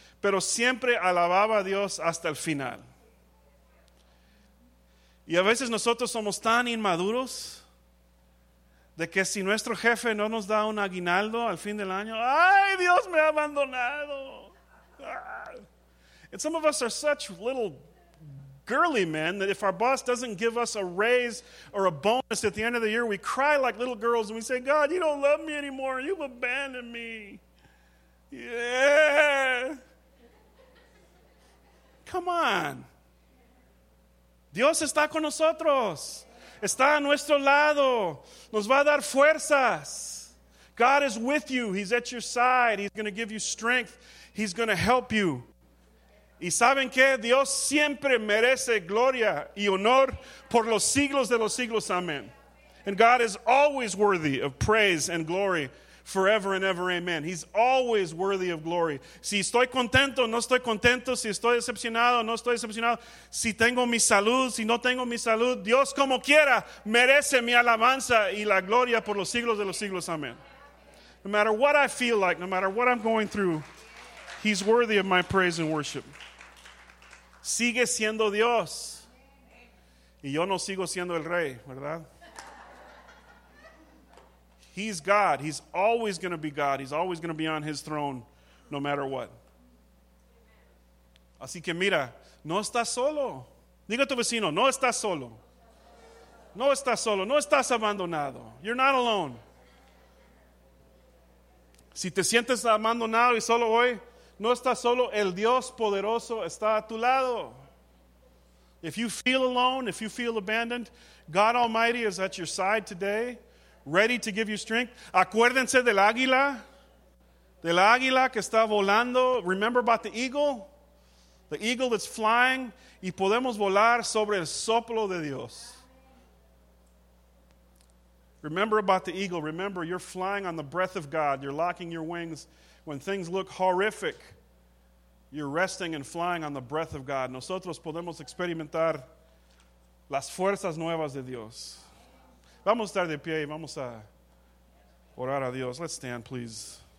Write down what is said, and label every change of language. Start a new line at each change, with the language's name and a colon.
Spanish: Pero siempre alababa a Dios hasta el final. Y a veces nosotros somos tan inmaduros de que si nuestro jefe no nos da un aguinaldo al fin del año, ¡ay, Dios me ha abandonado!
English: And some of us are such little girly men that if our boss doesn't give us a raise or a bonus at the end of the year, we cry like little girls and we say, God, you don't love me anymore. You've abandoned me. Yeah. Come on.
Spanish: Dios está con nosotros. Está a nuestro lado. Nos va a dar fuerzas.
English: God is with you. He's at your side. He's going to give you strength. He's going to help you.
Spanish: Y saben que Dios siempre merece gloria y honor por los siglos de los siglos. Amen.
English: And God is always worthy of praise and glory forever and ever. Amen. He's always worthy of glory.
Spanish: Si estoy contento, no estoy contento. Si estoy decepcionado, no estoy decepcionado. Si tengo mi salud, si no tengo mi salud, Dios como quiera merece mi alabanza y la gloria por los siglos de los siglos. Amen.
English: No matter what I feel like, no matter what I'm going through, he's worthy of my praise and worship.
Spanish: Sigue siendo Dios. Y yo no sigo siendo el rey, ¿verdad?
English: He's God. He's always going to be God. He's always going to be on his throne, no matter what.
Spanish: Así que mira, no estás solo. Diga a tu vecino, no estás solo. No estás solo. No estás abandonado.
English: You're not alone.
Spanish: Si te sientes abandonado y solo hoy, no estás solo. El Dios poderoso está a tu lado.
English: If you feel alone, if you feel abandoned, God Almighty is at your side today. Ready to give you strength.
Spanish: Acuérdense del águila. Del águila que está volando.
English: Remember about the eagle. The eagle that's flying.
Spanish: Y podemos volar sobre el soplo de Dios.
English: Remember about the eagle. Remember, you're flying on the breath of God. You're locking your wings. When things look horrific, you're resting and flying on the breath of God.
Spanish: Nosotros podemos experimentar las fuerzas nuevas de Dios. Vamos a estar de pie y vamos a orar a Dios.
English: Let's stand, please.